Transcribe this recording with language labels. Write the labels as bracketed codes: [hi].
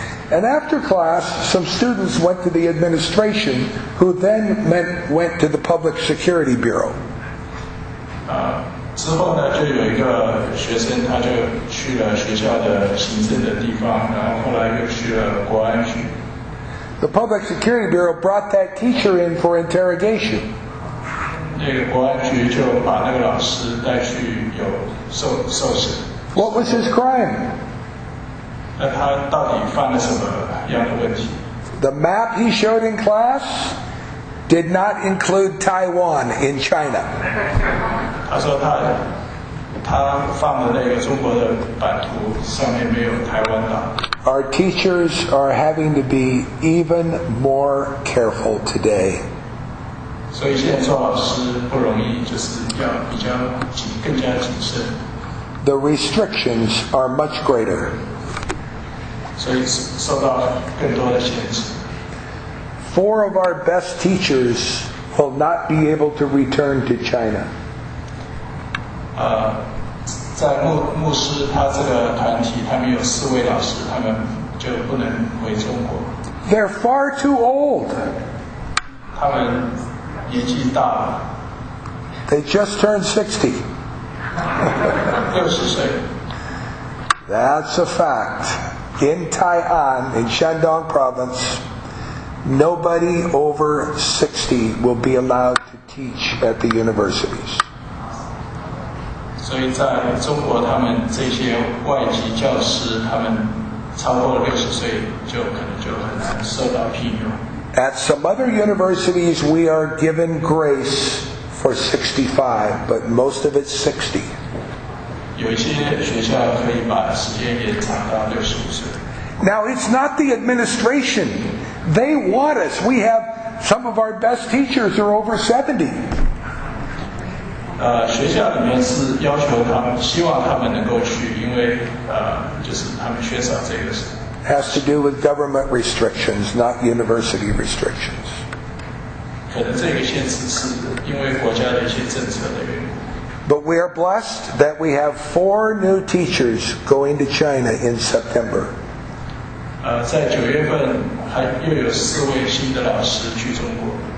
[en] And after class, some students went to the administration, who then went to the Public Security Bureau. [zh] 之后呢，就有一个学生，他就去了学校的行政的地方，然后后来又去了国安局。 [en] The Public Security Bureau brought that teacher in for interrogation. [zh] 那个国安局就把那个老师带去有受审。 [en] What was his crime? [zh] 那他到底犯了什么样的问题？ [en] The map he showed in class did not include Taiwan in China. [zh] 他说他放的那个中国的版图上面没有台湾岛。 [en] Our teachers are having to be even more careful today. [zh] 所以现在做老师不容易，就是要比较谨，更加谨慎。 [en] The restrictions are much greater. [zh] 所以受到更多的限制。 [en] Four of our best teachers will not be able to return to China. [zh] 在牧师他这个团体，他们有四位老师，他们就不能回中国。 [en] They're far too old. [zh] 他们年纪大了。 [en] They just turned 60. [zh] 60岁。 [en] That's a fact. In Tai'an, in Shandong Province, nobody over 60 will be allowed to teach at the universities. [zh] 所以在中国，他们这些外籍教师，他们超过60岁就可能就很难受到聘用。 [en] At some other universities, we are given grace for 65, but most of it's 60. [zh] 有一些学校可以把时间延长到65岁。 [en] Now it's not the administration; they want us. We have some of our best teachers are over 70. [zh] 学校里面是要求他们，希望他们能够去，因为就是他们缺少这个事。 [en] Has to do with government restrictions, not university restrictions. [zh] 可能这个限制是因为国家的一些政策的原因。 [en] But we are blessed that we have 4 new teachers going to China in September. [zh] 在九月份还又有四位新的老师去中国。